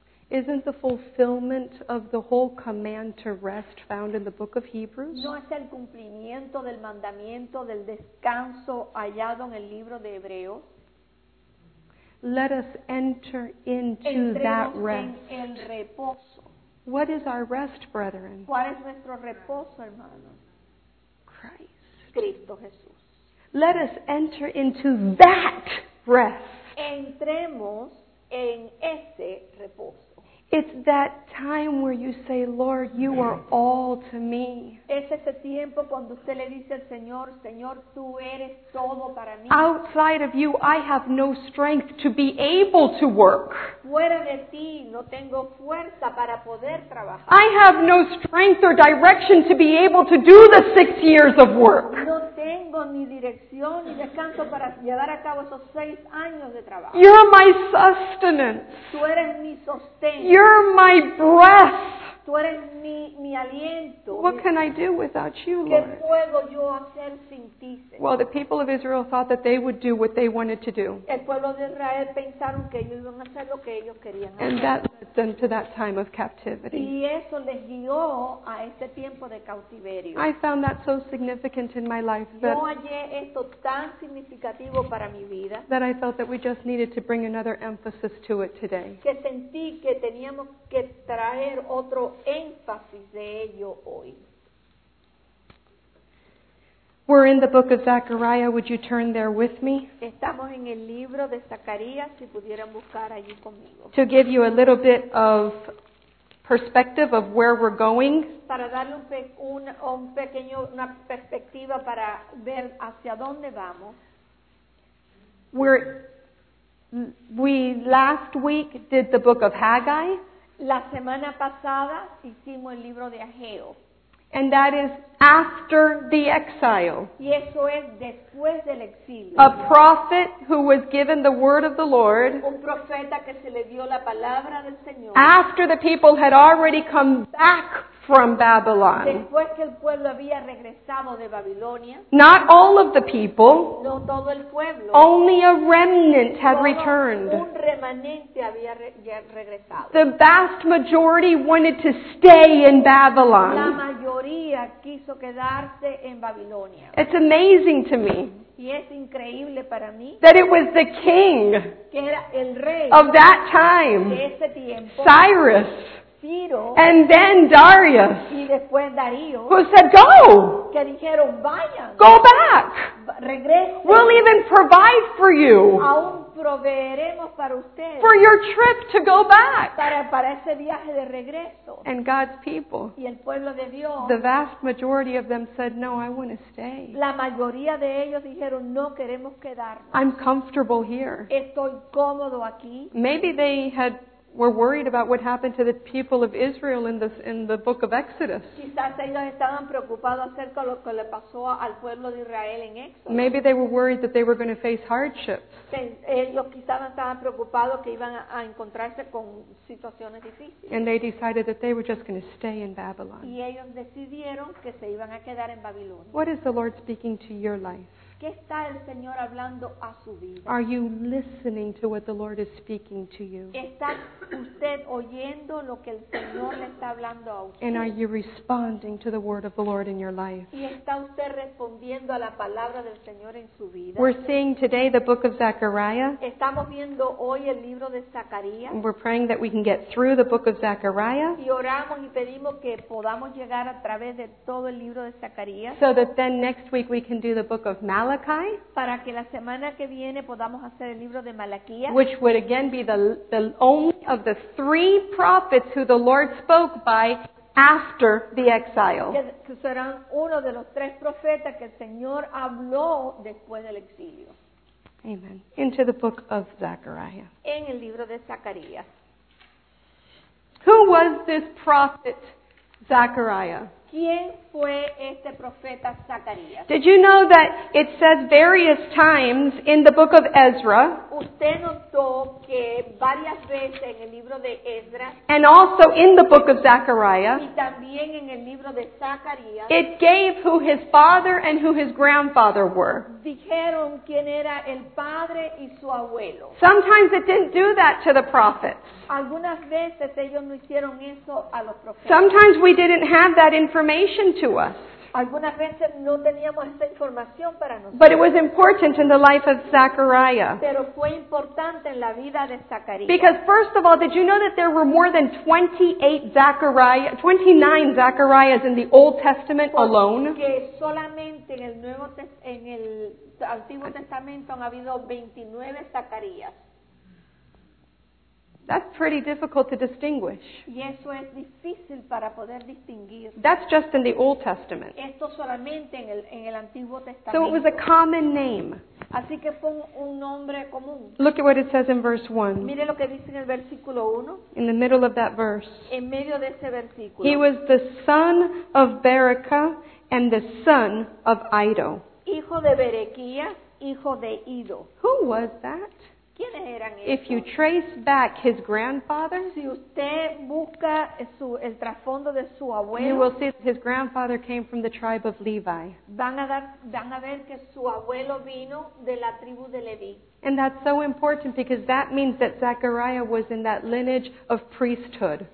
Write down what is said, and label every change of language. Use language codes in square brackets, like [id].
[en] Isn't the fulfillment of the whole command to rest found in the book of Hebrews? [es] ¿No es el cumplimiento del mandamiento del descanso hallado en el libro de Hebreos? [en] Let us enter into that rest. [es] Entremos en el reposo. [en] What is our rest, brethren? [es] ¿Cuál es nuestro reposo, hermanos? [en] Christ. [es] Cristo Jesús. [en] Let us enter into that rest. [es] Entremos en ese reposo. [en] It's that time where you say, Lord, you are all to me. [es] Es ese tiempo cuando usted le dice al Señor, Señor, tú eres todo para mí. [en] Outside of you, I have no strength to be able to work. [es] Fuera de ti, no tengo fuerza para poder trabajar. [en] I have no strength or direction to be able to do the 6 years of work. [es] No tengo ni dirección ni descanso para llevar a cabo esos 6 años de trabajo. [en] You're my sustenance. [es] Tú eres mi sostén. [en] You're my breath. [es] Tú eres mi aliento. [en] What can I do without you, Lord? [es] ¿Qué puedo yo hacer sin ti, Señor? [en] Well, the people of Israel thought that they would do what they wanted to do. [es] El pueblo de Israel pensaron que ellos iban a hacer lo que ellos querían hacer. [en] And that led them to that time of captivity. [es] Y eso les guió a ese tiempo de cautiverio. [en] I found that so significant in my life that [es] yo hallé esto tan significativo para mi vida [en] that I felt that we just needed to bring another emphasis to it today. [es] Que sentí que teníamos que traer otro énfasis de ello hoy. [en] We're in the book of Zechariah. Would you turn there with me? [es] Estamos en el libro de Zacarías, si pudieran buscar allí conmigo. [en] To give you a little bit of perspective of where we're going. [es] Para darle una perspectiva para ver hacia dónde vamos. [en] We last week did the book of Haggai. [es] La semana pasada hicimos el libro de Ageo. [en] And that is after the exile. [es] Y eso es después del exilio. [en] A prophet who was given the word of the Lord. [es] Un profeta que se le dio la palabra del Señor. [en] After the people had already come back from Babylon. [es] Después que el pueblo había regresado de Babilonia. [en] Not all of the people. [es] No todo el pueblo. [en] Only a remnant had returned. [es] Un remanente había regresado. [en] The vast majority wanted to stay in Babylon. [es] La mayoría quiso quedarse en Babilonia. [en] It's amazing to me. [es] Y es increíble para mí. [en] That it was the king. [es] Que era el rey. [en] Of that time. [es] De ese tiempo. [en] Cyrus. [es] Ciro, [en] and then Darius, [es] y después Darío, [en] who said, go! [es] Que dijeron, vayan, [en] go back! We'll even provide for you. [es] Aún proveeremos para usted. [en] For your trip to go back. [es] Para ese viaje de regreso. [en] And God's people. [es] Y el pueblo de Dios. [en] The vast majority of them said, no, I want to stay. [es] La mayoría de ellos dijeron, no queremos quedarnos. [en] I'm comfortable here. [es] Estoy cómodo aquí. [en] Maybe they had were worried about what happened to the people of Israel in the book of Exodus. [es] Quizás ellos estaban preocupados acerca de lo que le pasó al pueblo de Israel en Éxodo. [en] Maybe they were worried that they were going to face hardships. [es] Ellos quizás estaban preocupados que iban a encontrarse con situaciones difíciles. [en] And they decided that they were just going to stay in Babylon. [es] Y ellos decidieron que se iban a quedar en Babilonia. [en] What is the Lord speaking to your life? [es] ¿Qué está el Señor hablando a su vida? [en] Are you listening to what the Lord is speaking to you? [es] ¿Está usted oyendo lo que el Señor le está hablando a usted? [en] And are you responding to the word of the Lord in your life? [es] ¿Y está usted respondiendo a la palabra del Señor en su vida? [en] We're seeing today the book of Zechariah. [es] Estamos viendo hoy el libro de Zacarías. [en] We're praying that we can get through the book of Zechariah. [es] Y oramos y pedimos que podamos llegar a través de todo el libro de Zacarías. [en] So that then next week we can do the book of Malachi, [es] para que la semana que viene podamos hacer el libro de Malaquías, [en] which would again be the only of the three prophets who the Lord spoke by after the exile. [es] Que serán uno de los tres profetas que el Señor habló después del exilio. [en] Amen. Into the book of Zechariah. [es] En el libro de Zacarías. [en] Who was this prophet Zechariah? [es] ¿Quién fue este profeta Zacarías? [en] Did you know that it says various times in the book of Ezra? [es] ¿Usted notó que varias veces en el libro de Ezra? [en] And also in the book of Zechariah. [es] Y también en el libro de Zacarías. [en] It gave who his father and who his grandfather were. [es] Dijeron quién era el padre y su abuelo. [en] Sometimes it didn't do that to the prophets. [es] Algunas veces ellos no hicieron eso a los profetas. [en] Sometimes we didn't have that information to us. [es] Algunas veces no teníamos esta información para nosotros. [en] But it was important in the life of Zechariah. [es] Pero fue importante en la vida de Zacarías. [en] Because first of all, did you know that there were more than 29 Zecharias in the Old Testament alone? [es] Porque solamente en el Nuevo en el Antiguo Testamento han habido 29 Zacarías. [en] That's pretty difficult to distinguish. [es] Y eso es difícil para poder distinguir. [en] That's just in the Old Testament. [es] Esto solamente en el Antiguo Testamento. [en] So it was a common name. [es] Así que fue un nombre común. [en] Look at what it says in verse 1. [es] Mire lo que dice en el versículo 1. [en] In the middle of that verse. [es] En medio de ese versículo. [en] He was the son of Berechah and the son of Iddo. [es] Hijo de Berequía, hijo de Iddo. [en] Who was that? If you trace back his grandfather, [es] si usted busca el trasfondo de su abuelo, [en] you will see that his grandfather came from the tribe of Levi. [es] Van a ver que su abuelo vino de la tribu de Leví. [en] And that's so important because that means that Zechariah was in that lineage of priesthood.